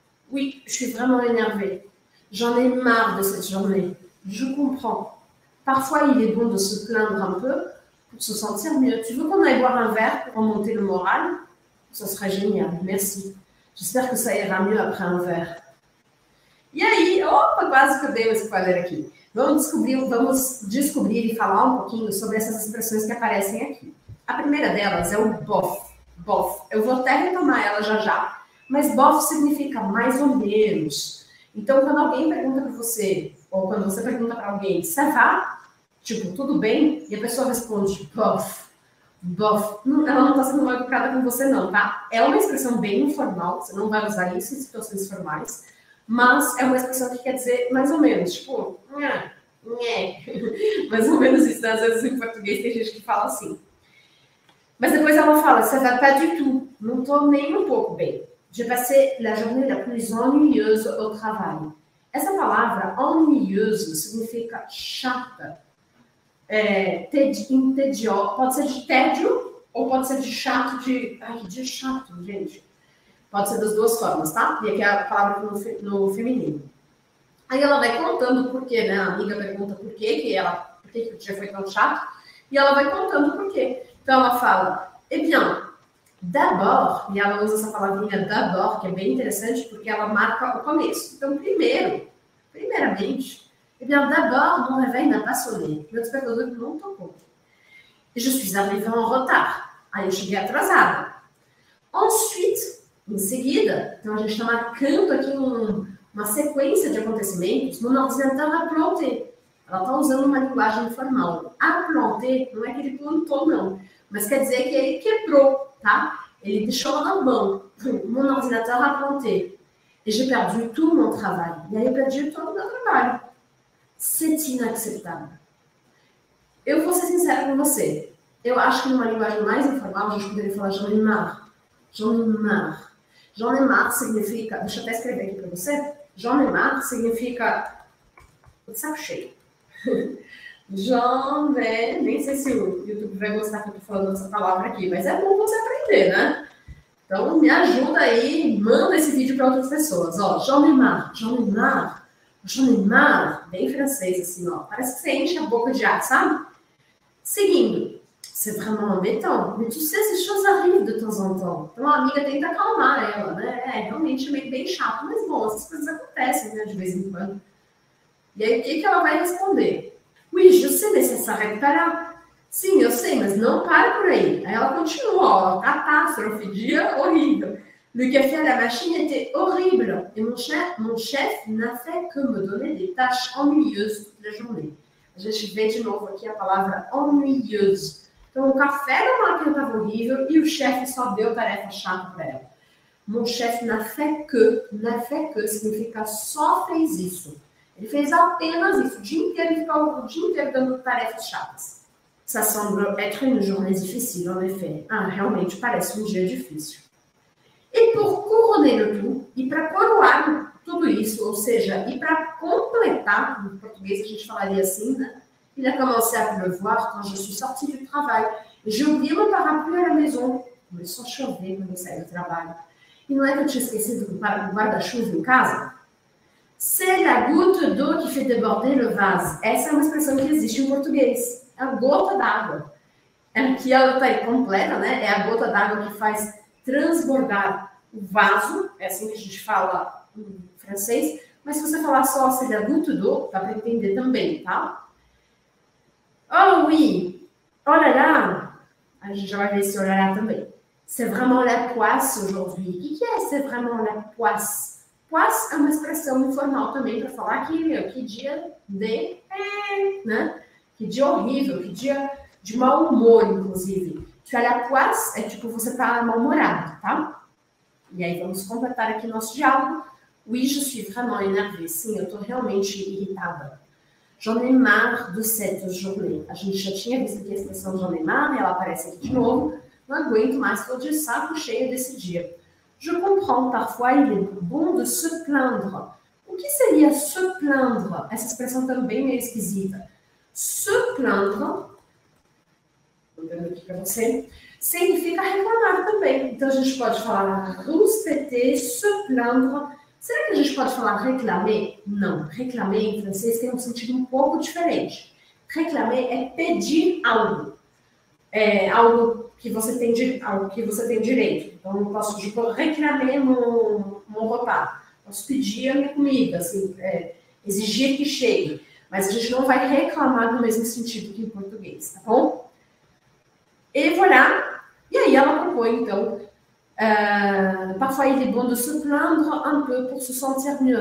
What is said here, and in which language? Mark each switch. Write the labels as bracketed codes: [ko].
[fr] Oui, je suis vraiment énervée. J'en ai marre de cette journée. Je comprends. Parfois, il est bon de se plaindre un peu pour se sentir mieux. Tu veux qu'on aille boire un verre pour remonter le moral? Ça serait génial, merci. J'espère que ça ira mieux après un verre. [pt] E aí, opa, quase que eu dei um spoiler aqui. Vamos descobrir e falar um pouquinho sobre essas expressões que aparecem aqui. A primeira delas é o bof, bof. Eu vou até retomar ela já já, mas bof significa mais ou menos. Então, quando alguém pergunta para você, ou quando você pergunta para alguém, [fr] ça va? [pt] Tipo, tudo bem? E a pessoa responde, bof, bof. Ela não está sendo mal educada com você não, tá? É uma expressão bem informal, você não vai usar isso em situações formais, mas é uma expressão que quer dizer mais ou menos, tipo, nhé, mais ou menos isso, né? Às vezes em português tem gente que fala assim. Mas depois ela fala, [fr] ça va pas du tout, [pt] não estou nem um pouco bem. [fr] J'ai passé la journée la plus ennuyeuse au travail. [pt] Essa palavra, ennuyeuse, significa chata. É, pode ser de tédio ou pode ser de chato, de chato, gente. Pode ser das duas formas, tá? E aqui é a palavra no feminino. Aí ela vai contando por quê, né? A amiga pergunta por quê, que ela, por que o dia foi tão chato. E ela vai contando por quê. Então ela fala, [fr] eh bien, d'abord, [pt] e ela usa essa palavrinha d'abord, que é bem interessante, porque ela marca o começo. Então, primeiro, primeiramente, [fr] eh bien, d'abord, mon réveil n'a pas sonné. [pt] Meu despertador não tocou. [fr] Et je suis arrivée en retard. [pt] Aí eu cheguei atrasada. [fr] Ensuite, [pt] em seguida, então a gente está marcando aqui uma sequência de acontecimentos, [fr] mon ordinateur a planté. [pt] Ela está usando uma linguagem informal. A planté não é que ele plantou, não. Mas quer dizer que ele quebrou, tá? Ele deixou ela na mão. [fr] Mon ordinateur a planté. Et j'ai perdu tout mon travail. [pt] E aí eu perdi todo o meu trabalho. [fr] C'est inacceptable. [pt] Eu vou ser sincera com você. Eu acho que numa linguagem mais informal, a gente poderia falar [fr] j'en ai marre. J'en ai marre. J'en ai marre [pt] significa... Deixa eu até escrever aqui para você. J'en ai marre significa... O saco cheio. [fr] J'en ai... [pt] Nem sei se o YouTube vai gostar que eu tô falando essa palavra aqui, mas é bom você aprender, né? Então, me ajuda aí, manda esse vídeo para outras pessoas. Ó, [fr] j'en ai marre. J'en ai marre. J'en ai marre. [pt] Bem francês, assim, ó. Parece que você enche a boca de ar, sabe? Seguindo. [fr] C'est vraiment embêtant. Mais tu sais, ces choses arrivent de temps en temps. [pt] Então, a amiga tenta acalmar ela, né? É, realmente, meio bem chato. Mas, bom, essas coisas acontecem, né, de vez em quando. E aí, o que ela vai responder? [fr] Oui, je sais, mais ça s'arrête pas là. [pt] Sim, eu sei, mas não para por aí. Aí, ela continua, ó. Catástrofe, dia horrível. [fr] Le café à la machine était horrible. Et mon chef n'a fait que me donner des tâches ennuyeuses toute la journée. [pt] A gente vê de novo aqui a palavra ennuyeuse. Então, o café da máquina estava horrível e o chefe só deu tarefa chata para ela. [fr] Mon chef n'a fait que [pt] significa só fez isso. Ele fez apenas isso, o dia inteiro, ele ficou o dia inteiro dando tarefas chatas. [fr] Ça semble être une journée difficile, en effet. [pt] Ah, realmente, parece um dia difícil. E [fr] pour couronner le tout, [pt] e para coroar tudo isso, ou seja, e para completar, em português a gente falaria assim, né? [fr] Il a commencé à pleuvoir quand je suis sortie du travail. J'ai oublié mon parapluie à la maison. [pt] Começou a chover quando eu saí do trabalho. E não é que eu tinha esquecido do guarda-chuva em casa? [fr] C'est la goutte d'eau qui fait déborder le vase. [pt] Essa é uma expressão que existe em português. É a gota d'água. É que ela está incompleta, né? É a gota d'água que faz transbordar o vaso. É assim que a gente fala em francês. Mas se você falar só [fr] c'est la goutte d'eau, [pt] dá para entender também, tá? Oh oui, olha lá, a gente já vai ver esse olha lá também. [fr] C'est vraiment la poisse aujourd'hui. [pt] O que é [fr] c'est vraiment la poisse? [pt] Poisse é uma expressão informal também para falar que, meu, que dia de... né? Que dia horrível, que dia de mau humor, inclusive. [fr] Tu as la poisse [pt] é tipo você tá mal-humorado, tá? E aí vamos completar aqui nosso diálogo. [fr] Oui, je suis vraiment énervée. [pt] Sim, eu tô realmente irritada. [fr] J'en ai marre de cette journée. [pt] A gente já tinha visto aqui a expressão [fr] j'en ai marre, [pt] ela aparece aqui de novo. Não aguento mais, estou de saco cheio desse dia. [fr] Je comprends parfois, il est bon de se plaindre. [pt] O que seria se plaindre? Essa expressão também meio esquisita. [fr] Se plaindre, [pt] vou dar aqui para você, significa reclamar também. Então a gente pode falar [fr] rouspéter, se plaindre. [pt] Será que a gente pode falar réclamer? Não. Réclamer em francês tem um sentido um pouco diferente. Réclamer é pedir algo. É algo que você tem, algo que você tem direito. Então, eu posso, tipo, réclamer no rotar. Posso pedir a minha comida, assim, exigir que chegue. Mas a gente não vai reclamar no mesmo sentido que em português, tá bom? E voilà. E aí ela propõe, então... [fr] parfois, il est bon de se plaindre un peu pour se sentir mieux.